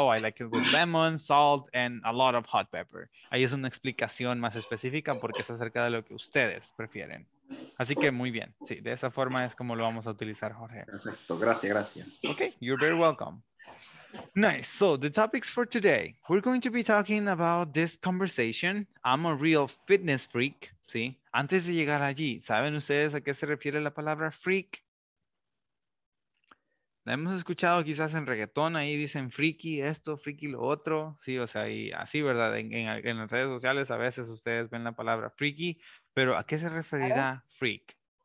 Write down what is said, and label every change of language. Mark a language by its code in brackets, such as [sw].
[en] Oh, I like it with lemon, salt, and a lot of hot pepper. [es] Ahí es una explicación más específica porque es acerca de lo que ustedes prefieren. Así que muy bien. Sí, de esa forma es como lo vamos a utilizar, Jorge. Perfecto, gracias, gracias. [en] Okay, you're very welcome. Nice. So the topics for today, we're going to be talking about this conversation. I'm a real fitness freak. ¿Sí? [es] Antes de llegar allí, ¿saben ustedes a qué se refiere la palabra freak? hemos escuchado quizás en reggaetón, ahí dicen friki esto, friki lo otro. Sí, o sea, y así, ¿verdad? En las redes sociales a veces ustedes ven la palabra friki, pero ¿a qué se referirá freak?